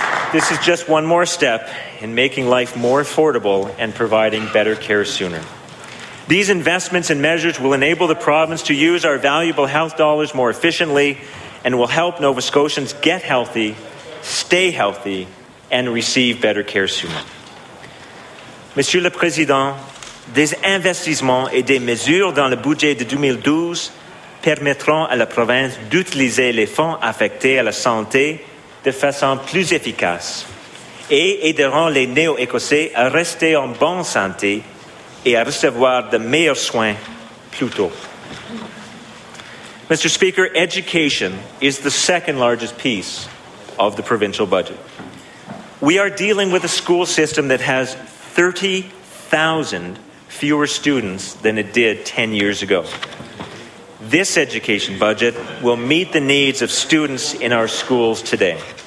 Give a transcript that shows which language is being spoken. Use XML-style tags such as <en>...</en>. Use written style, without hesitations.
<en>This is just one more step in making life more affordable and providing better care sooner. These investments and measures will enable the province to use our valuable health dollars more efficiently and will help Nova Scotians get healthy, stay healthy, and receive better care sooner.</en> <fr>Monsieur le Président, des investissements et des mesures dans le budget de 2012 permettront à la province d'utiliser les fonds affectés à la santé de façon plus efficace et aideront les Néo-Écossais à rester en bonne santé et à recevoir de meilleurs soins plus tôt.</fr> <en>Mr. Speaker, education is the second largest piece of the provincial budget. We are dealing with a school system that has 30,000 fewer students than it did 10 years ago. This education budget will meet the needs of students in our schools today.</en>